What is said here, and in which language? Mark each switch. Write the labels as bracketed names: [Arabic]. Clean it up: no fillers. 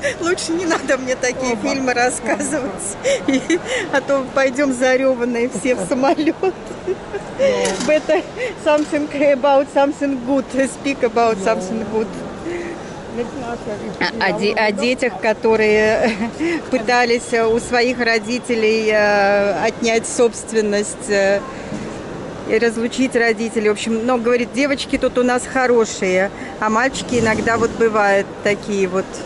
[Russian] Лучше не надо мне такие фильмы рассказывать. А то пойдем зареванные все в самолет. [English] Better something about something good. Speak about something good. [Russian] О детях, которые пытались у своих родителей отнять собственность. И разлучить родителей. В общем, но говорит, девочки тут у нас хорошие, а мальчики иногда вот бывают такие вот.